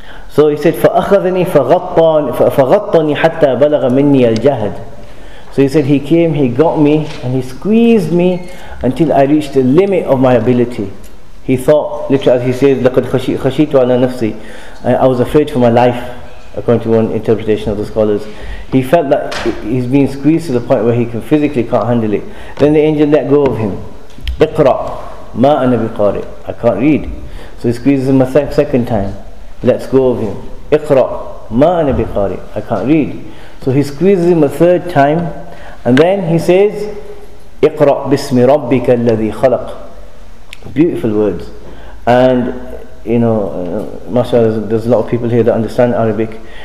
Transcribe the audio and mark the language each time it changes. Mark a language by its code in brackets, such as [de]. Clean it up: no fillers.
[en] So he said, [ar] فَأَخَذَنِي فَغَطَّنِي حَتَّى بَلَغَ مِنِّي الْجَهَدِ. [en] So he said, he came, he got me, and he squeezed me until I reached the limit of my ability. He thought, literally, as he says, [ar] لَقَدْ خَشِيتُ عَلَى نَفْسِي. [en] I was afraid for my life, according to one interpretation of the scholars. He felt that he's being squeezed to the point where he can physically can't handle it. Then the angel let go of him. [ar] اقرأ ما أنا بقارئ. [en] I can't read. So he squeezes him a second time. Let's go of him. [ar] اقرأ ما أنا بقارئ. [en] I can't read. So he squeezes him a third time. And then he says, [ar] اقرأ بسم ربك الذي خلق. [en] Beautiful words. And you know, mashallah, there's a lot of people here that understand Arabic.